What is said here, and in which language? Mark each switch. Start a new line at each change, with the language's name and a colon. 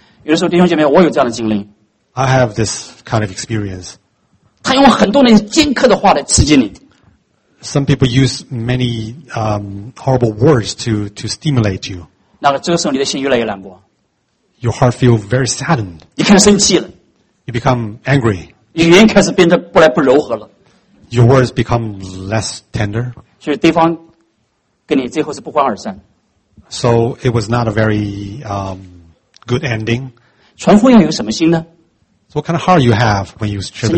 Chinese: 有的时候弟兄姐妹，我有这样的经历。
English: I have this kind of experience.
Chinese: 他用很多那些尖刻的话来刺激你。
English: Some people use many horrible words to stimulate you.
Chinese: 那这个时候你的心越来越难过。
English: Your heart feels very saddened.
Chinese: 你开始生气了。
English: You become angry.
Chinese: 语言开始变得不柔和了。
English: Your words become less tender.
Chinese: 所以对方跟你最后是不欢而散。
English: So it was not a very good ending.
Chinese: 传福音有什么心呢?
English: So what kind of heart you have when you share the